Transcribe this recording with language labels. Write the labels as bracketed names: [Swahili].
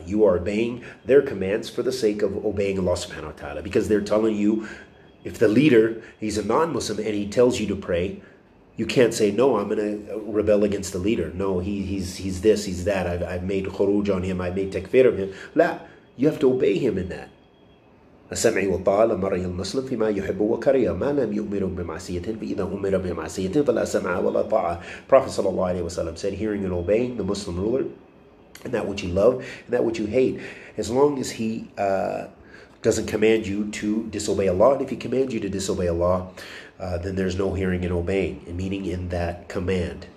[English] You are obeying their commands for the sake of obeying Allah subhanahu wa ta'ala. Because they're telling you, if the leader, he's a non-Muslim and he tells you to pray, you can't say, no, I'm going to rebel against the leader. No, he's this, he's that. I've made khuruj on him. I've made takfir of him. La, you have to obey him in that. [Arabic] السمعي والطاعة لمرأي المسلم فيما يحب وكره ما لم يؤمر بمعصية فإذا أمر بمعصية فلا سمع ولا طاعة. [English] Prophet sallallahu alaihi wasallam said, hearing and obeying the Muslim ruler, and that which you love, and that which you hate, as long as he doesn't command you to disobey Allah, and if he commands you to disobey Allah, then there's no hearing and obeying, and meaning in that command.